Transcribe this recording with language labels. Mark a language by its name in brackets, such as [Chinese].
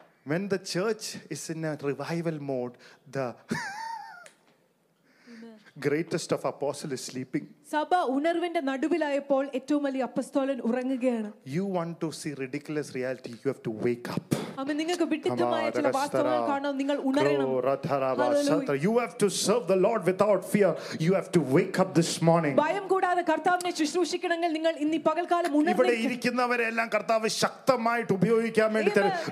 [English] When the church is in a revival mode, the greatest of apostles is sleeping. [Malayalam] സഭ ഉണർവിന്റെ നടുവിലായപ്പോൾ ഏറ്റവും വലിയ അപ്പസ്തോലൻ ഉറങ്ങുകയാണ്. [English] You want to see ridiculous reality, you have to wake up. [Malayalam] അവൻ നിങ്ങൾക്ക് വിഡ്ഢിത്തമായ ചില വാസ്തവങ്ങൾ കാണണം. നിങ്ങൾ ഉണരണം. [English] You have to serve the Lord without fear. You have to wake up this morning. [Malayalam] ഭയം കൂടാതെ കർത്താവിനെ ശുശ്രൂഷിക്കണമെങ്കിൽ നിങ്ങൾ ഇന്ന് പകൽക്കാലം ഉണരണം. ഇവിടെ ഇരിക്കുന്നവരെ എല്ലാം കർത്താവ് ശക്തമായിട്ട് ഉപയോഗിക്കാൻ വേണ്ടി തരും.